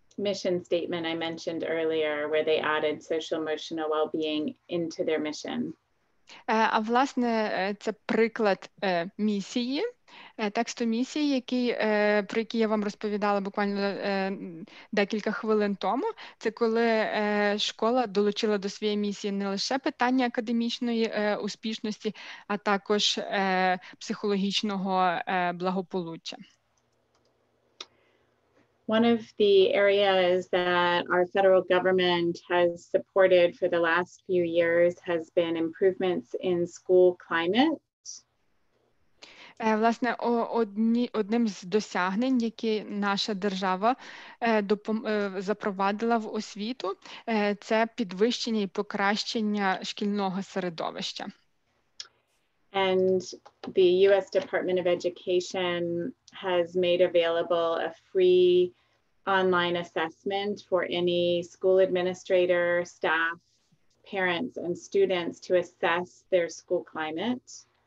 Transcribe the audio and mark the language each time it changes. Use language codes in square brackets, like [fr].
[en] Mission statement I mentioned earlier, where they added social emotional well-being into their mission. [uk] А власне, це приклад місії, тексту місії, який про який я вам розповідала буквально декілька хвилин тому. Це коли школа долучила до своєї місії не лише питання академічної успішності, а також психологічного благополуччя. [en] One of the areas that our federal government has supported for the last few years has been improvements in school climate. [uk] Власне, одним з досягнень, які наша держава запровадила в освіту, це підвищення і покращення шкільного середовища. [en] And the US Department of Education has made available a free online assessment for any school administrator, staff, parents, and students to assess their school climate.